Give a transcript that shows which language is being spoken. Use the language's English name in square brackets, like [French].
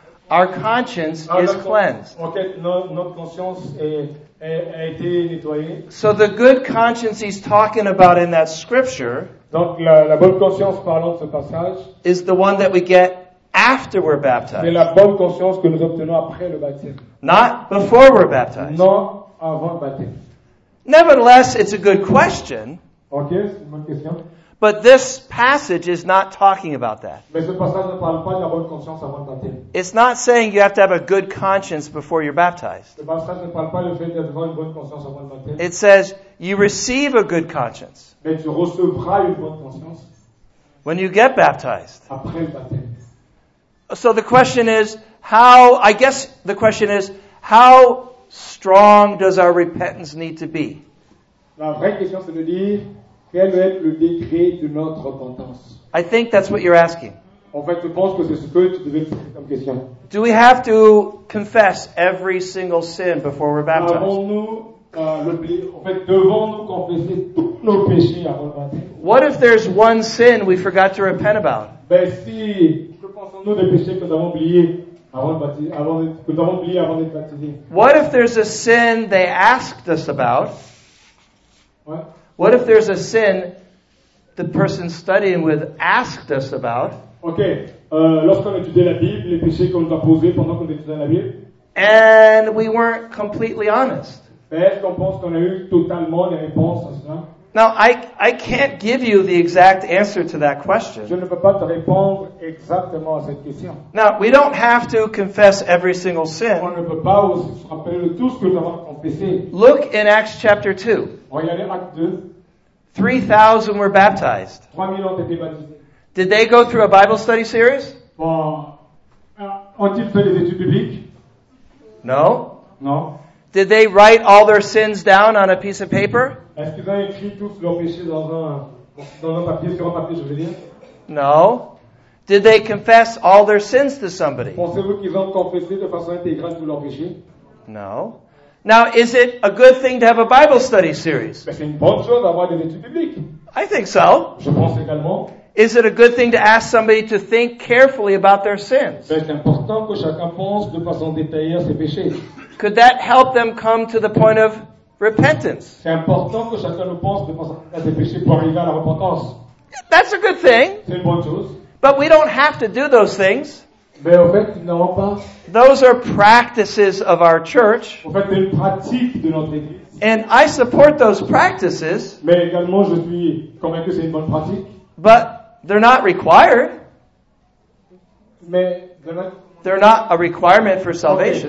[English] Our conscience is cleansed. So the good conscience he's talking about in that scripture is the one that we get after we're baptized. [French] La bonne conscience que nous obtenons après le baptême. [English] Not before we're baptized. [French] Non avant le baptême. [English] Nevertheless, it's a good question. [French] Okay, c'est une bonne question. [English] But this passage is not talking about that. [French] Mais ce passage ne parle pas de la bonne conscience avant le baptême. [English] It's not saying you have to have a good conscience before you're baptized. [French] Le passage ne parle pas du fait d'avoir une bonne conscience avant le baptême. [English] It says you receive a good conscience. [French] Mais tu recevras une bonne conscience. [English] When you get baptized. [French] Après le baptême. [English] So the question is, how strong does our repentance need to be? [French] La vraie question, c'est de dire, quel est le degré de notre repentance? [English] I think that's what you're asking. [French] En fait, je pense que c'est ce que tu devais poser comme question. [English] Do we have to confess every single sin before we're baptized? [French] Devons-nous confesser tous nos péchés avant le baptême? [English] What if there's one sin we forgot to repent about? [French] Ben si, que pensons-nous des péchés que nous avons oubliés avant d'être baptisés? [English] What if there's a sin they asked us about? What? What if there's a sin the person studying with asked us about? Okay. [French] Lorsqu'on étudiait la Bible, les péchés qu'on nous a posés pendant qu'on étudiait la Bible. [English] And we weren't completely honest. [French] Est-ce qu'on pense qu'on a eu totalement les réponses à cela? [English] Now, I can't give you the exact answer to that question. [French] Je ne peux pas te répondre exactement à cette question. [English] Now, we don't have to confess every single sin. [French] On ne peut pas vous rappeler de tout ce que nous avons confessé. [English] Look in Acts chapter 2. [French] Regardez Acte 2. [English] 3,000 were baptized. [French] 3,000 ont été baptisés. [English] Did they go through a Bible study series? [French] Bon, ont-ils fait des études bibliques? [English] No. No. Did they write all their sins down on a piece of paper? [French] Est-ce qu'ils ont écrit tous leurs péchés dans un papier, sur un papier, je veux dire? [English] No. Did they confess all their sins to somebody? [French] Pensez-vous qu'ils ont confessé de façon intégrale tous leurs péchés? [English] No. Now, is it a good thing to have a Bible study series? [French] Mais c'est une bonne chose d'avoir des études bibliques. [English] I think so. [French] Je pense également. [English] Is it a good thing to ask somebody to think carefully about their sins? [French] Mais c'est important que chacun pense de façon détaillée à ses péchés. [English] Could that help them come to the point of repentance? [French] C'est important que chacun pense de façon à ses péchés pour arriver à la repentance. [English] That's a good thing. [French] C'est une bonne chose. [English] But we don't have to do those things. [French] Mais en fait, nous n'avons pas. [English] Those are practices of our church. [French] En fait, c'est une pratique de notre église. [English] And I support those practices. [French] Mais également, je suis convaincu que c'est une bonne pratique. [English] But they're not required. [French] Mais [English] they're not. They're not a requirement for salvation.